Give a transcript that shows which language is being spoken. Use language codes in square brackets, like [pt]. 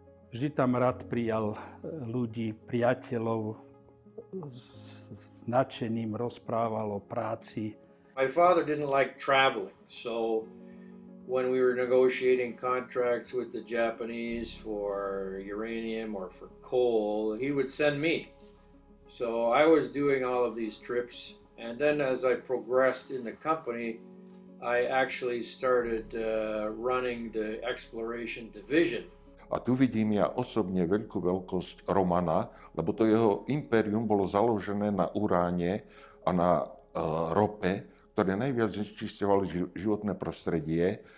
[sk] Vždy tam rád prijal ľudí, priateľov, s nadšením rozprával o práci. [en] My father didn't like traveling, so when we were negotiating contracts with the Japanese for uranium or for coal, he would send me. So I was doing all of these trips. And then as I progressed in the company, I actually started running the exploration division. [sk] A tu vidím ja osobne veľkú veľkosť Romana, lebo to jeho impérium bolo založené na uráne a na rope, ktoré najviac znečisťovali životné prostredie.